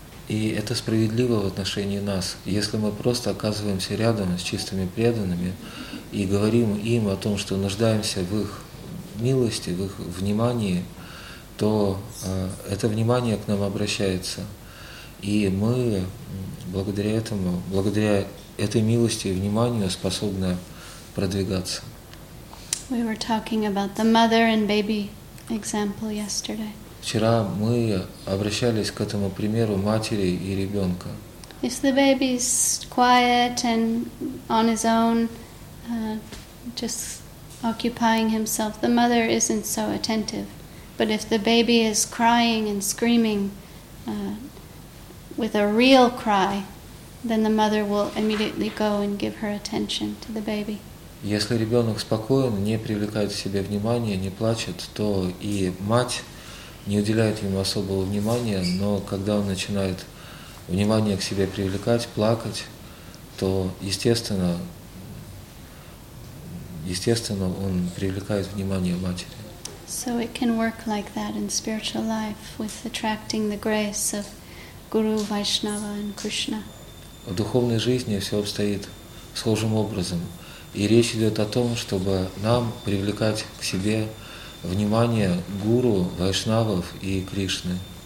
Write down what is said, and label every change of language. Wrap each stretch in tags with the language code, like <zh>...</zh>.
<ru>И это справедливо в отношении нас. Если мы просто оказываемся рядом с чистыми преданными и говорим им о том, что нуждаемся в их милости, в их внимании, то это внимание к нам обращается. И мы благодаря этому, благодаря этой милости и вниманию способны продвигаться.</ru> <en>We were talking about the mother and baby example yesterday.</en> <ru>Вчера мы обращались к этому примеру матери и ребенка.</ru> <en>If the baby's quiet and on his own, just occupying himself, the mother isn't so attentive. But if the baby is crying and screaming, with a real cry, then the mother will immediately go and give her attention to the baby.</en> <ru>Если ребенок спокоен, не привлекает к себе внимания, не плачет, то и мать не уделяет ему особого внимания, но когда он начинает внимание к себе привлекать, плакать, то естественно он привлекает внимание матери.</ru> <en>So it can work like that in spiritual life with attracting the grace of Guru, Vaishnava and Krishna.</en> <ru>В духовной жизни все обстоит схожим образом. И речь идет о том, чтобы нам привлекать к себе внимание гуру, вайшнавов и Кришны.</ru>